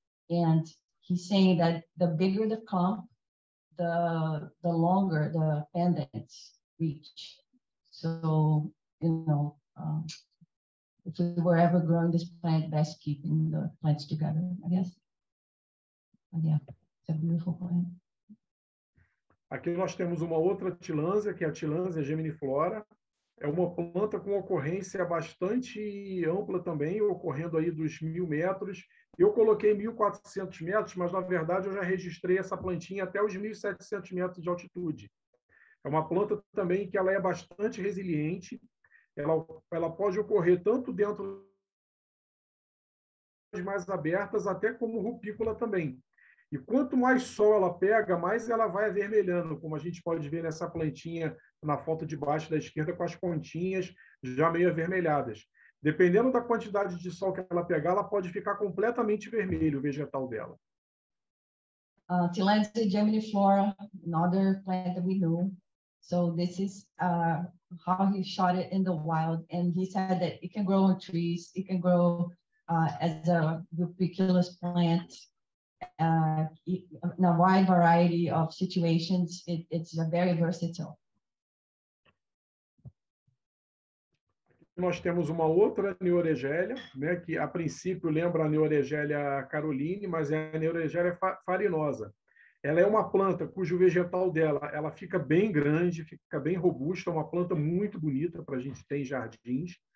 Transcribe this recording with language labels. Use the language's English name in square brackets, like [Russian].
[English] And he's saying that the bigger the clump, the longer the pendants reach. So, if we were ever growing this plant, best keeping the plants together, I guess. But yeah, it's a beautiful plant. [Portuguese] Aqui nós temos uma outra tilândsia, que é a tilândsia geminiflora. É uma planta com ocorrência bastante ampla também, ocorrendo aí dos 1.000 metros. Eu coloquei 1.400 metros, mas na verdade eu já registrei essa plantinha até os 1.700 metros de altitude. É uma planta também que ela é bastante resiliente. Ela pode ocorrer tanto dentro das mais abertas, até como rupícola também. E quanto mais sol ela pega, mais ela vai avermelhando, como a gente pode ver nessa plantinha na foto de baixo da esquerda, com as pontinhas já meio avermelhadas. Dependendo da quantidade de sol que ela pegar, ela pode ficar completamente vermelho o vegetal dela. [English] Tilandsia geminiflora, another plant that we know. So this is how he shot it in the wild. And he said that it can grow on trees, it can grow as a rupiculous plant. In a wide variety of situations, it's very versatile. [Portuguese] Nós temos uma outra Neuregelia, né, que a princípio lembra a Neuregelia caroline, mas é a Neuregelia farinosa. Ela é uma planta cujo vegetal dela, ela fica bem grande, fica bem robusta, é uma planta muito bonita para a gente ter em jardins.